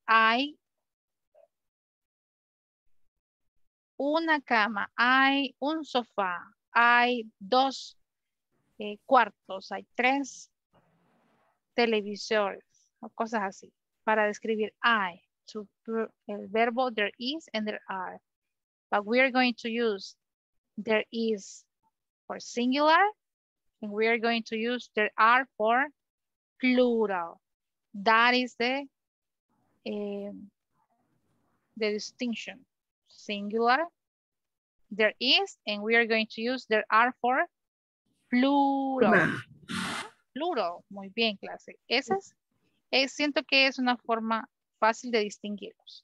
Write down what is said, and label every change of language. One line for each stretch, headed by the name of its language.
Spanish: Hay una cama, hay un sofá, hay dos cuartos, hay tres televisores o cosas así para describir hay.
English: To el verbo there is and there are. But we are going to use there is for singular and we are going to use there are for plural. That is the distinction. Singular, there is, and we are going to use there are for plural.
Spanish: Plural, muy bien, clase. Esa es, siento que es una forma fácil de distinguirlos.